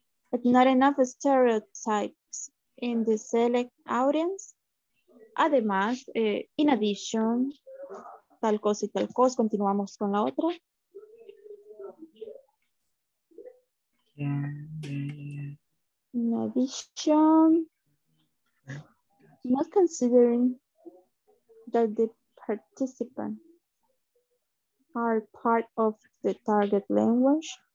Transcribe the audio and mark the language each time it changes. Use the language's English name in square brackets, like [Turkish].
[English] But not enough stereotypes in the select audience. [Spanish] Además, [English] in addition, [Spanish] tal cosa y tal cosa, continuamos con la otra. [English] In addition, not considering that the participants are part of the target language.